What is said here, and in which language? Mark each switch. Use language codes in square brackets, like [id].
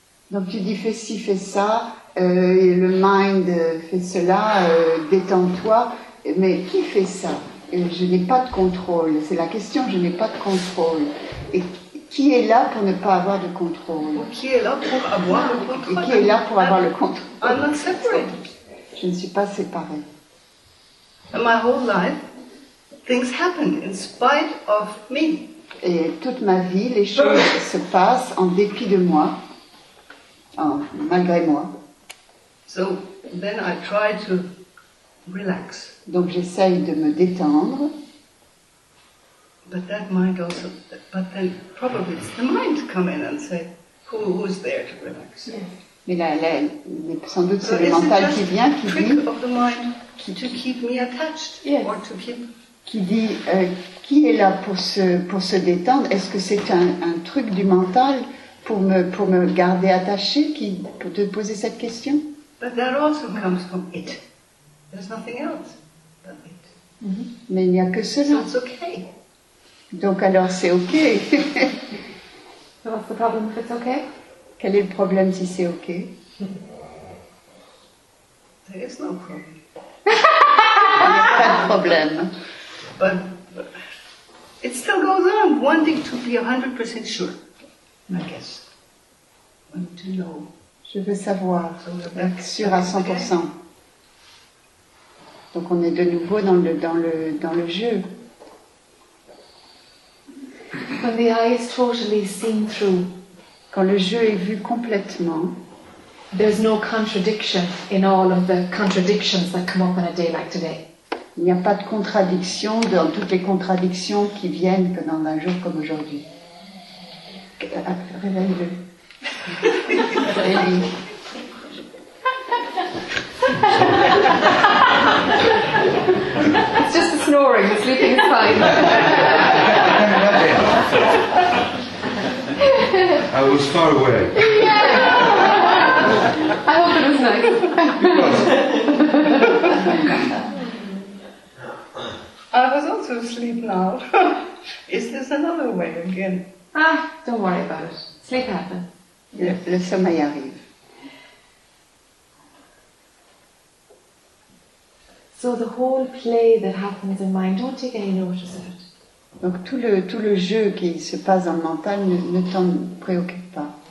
[fr] Donc tu dis fais ci, fais ça, et le mind fait cela, détends-toi, mais qui fait ça? Je n'ai pas de contrôle, c'est la question, je n'ai pas de contrôle. Et qui est là pour ne pas avoir de contrôle? Qui est là pour avoir le contrôle? Et qui est là pour avoir le contrôle? [en] I'm not separate. [fr] Je ne suis pas séparée. [en] And my whole life, things happen in spite of me. [fr] Et toute ma vie, les choses se passent en dépit de moi. Malgré moi. [en] So then I try to relax. [fr] Donc j'essaye de me détendre. [en] But that mind also, but then probably it's the mind come in and say, who's there to relax? Yes. [fr] Mais là, sans doute c'est le mental qui vient, qui dit. [en] Of the mind to keep me attached, yes. Or to keep. [fr] Qui dit qui est là pour se détendre? Est-ce que c'est un truc du mental? Pour me garder attaché, qui peut te poser cette question? [en] But that also comes from it. There's nothing else but it. [fr] Mm-hmm. Mais il n'y a que cela. [en] So it's okay. [fr] Donc alors c'est ok. [en] So what's the problem if it's okay? [fr] Quel est le problème si c'est ok? [en] There is no problem. [fr] Il n'y a pas de problème. [en] But it still goes on, wanting to be 100% sure. I guess. I want to know. [fr] Je veux savoir, sûr à 100%. Donc on est de nouveau dans le jeu. [en] When the eye is totally seen through, [fr] quand le jeu est vu complètement, [en] there's no contradiction in all of the contradictions that come up on a day like today. [fr] Il n'y a pas de contradiction dans toutes les contradictions qui viennent que dans un jour comme aujourd'hui. Réveille-le. [en] It's just the snoring, the sleeping is fine. I was far away. Yeah. I hope it was nice. It was. I was also asleep now. Is this another way again? Ah, don't worry about it. Sleep happens. [fr] Le sommeil arrive. [en] So the whole play that happens in mind, don't take any notice of it. [fr] Donc tout le jeu qui se passe dans le mental ne t'en préoccupe pas.